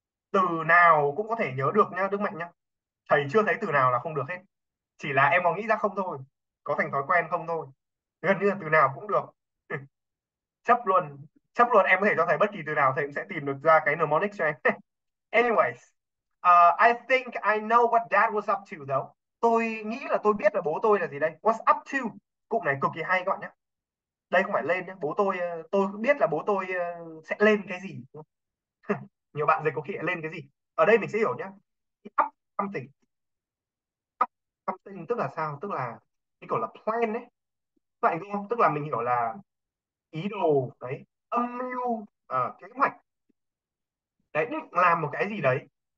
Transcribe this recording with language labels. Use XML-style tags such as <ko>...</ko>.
<vi>Từ nào cũng có thể nhớ được nhá, Đức Mạnh nhá. Thầy chưa thấy từ nào là không được hết. Chỉ là em có nghĩ ra không thôi, có thành thói quen không thôi, gần như là từ nào cũng được. Chấp luôn, chấp luôn, em có thể cho thầy bất kỳ từ nào thầy cũng sẽ tìm được ra cái mnemonic cho em.</vi> <en>Anyways, I think I know what dad was up to though.</en> <vi>Tôi nghĩ là tôi biết là bố tôi là gì đây.</vi> <en>What's up to,</en> <vi>cụm này cực kỳ hay các bạn nhé, đây không phải lên nhé, bố tôi biết là bố tôi sẽ lên cái gì. Nhiều bạn dịch có khi lên cái gì, ở đây mình sẽ hiểu nhé,</vi> <en>up something, something</en> <vi>tức là sao, tức là cái gọi là plan đấy bạn đúng không, tức là mình hiểu là ý đồ đấy, âm mưu, kế hoạch đấy, định làm một cái gì đấy.</vi>